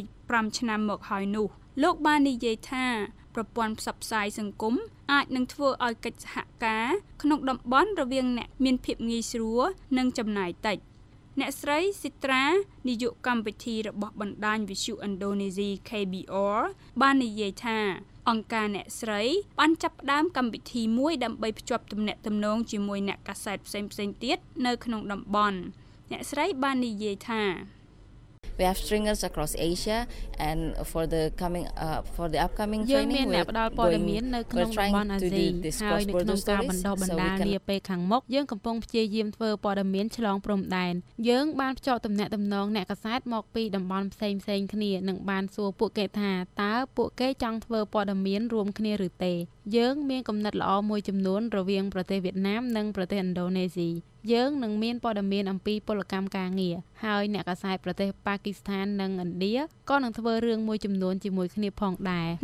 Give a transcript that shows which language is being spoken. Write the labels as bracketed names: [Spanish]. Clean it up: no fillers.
[Khmer] 25ឆ្នាំមកហើយនោះលោកបាននិយាយថាប្រព័ន្ធផ្សព្វផ្សាយសង្គមអាចនឹងធ្វើឲ្យកិច្ចសហការក្នុងតំបន់រវាងអ្នកមានភាពងាយស្រួលនិងចំណាយតិចអ្នកស្រីស៊ីត្រានាយកកម្មវិធីរបស់បណ្ដាញវិទ្យុឥណ្ឌូនេស៊ី KBR បាននិយាយថាអង្គការអ្នកស្រីបានចាប់ផ្ដើមកម្មវិធីមួយដើម្បីភ្ជាប់ទំនាក់ទំនងជាមួយអ្នកកាសែតផ្សេងៗទៀតនៅក្នុងតំបន់អ្នកស្រីបាននិយាយថា [English] We have stringers across Asia and for the coming for the upcoming training we're going to do this cross-border stories. [Khmer] នៅក្នុងតំបន់អាស៊ីហើយនៅក្នុងការបណ្ដុះបណ្ដាលនាពេលខាងមុខយើងកំពុងព្យាយាមធ្វើព័ត៌មានឆ្លងព្រំដែនយើងបានភ្ជាប់ទំនាក់ទំនងអ្នកកសែតមកពីតំបន់ផ្សេងផ្សេងគ្នានិងបានសួរពួកគេថាតើពួកគេចង់ធ្វើព័ត៌មានរួមគ្នាឬទេយើងមានគំនិតល្អមួយចំនួនរវាងប្រទេសវៀតណាមនិងប្រទេសឥណ្ឌូនេស៊ីយើងនឹងមានព័ត៌មានអំពីពលកម្មការងារហើយអ្នកកសែតប្រទេសប៉ាគីស្ថាននិងឥណ្ឌាក៏នឹងធ្វើរឿងមួយចំនួនជាមួយគ្នាផងដែរ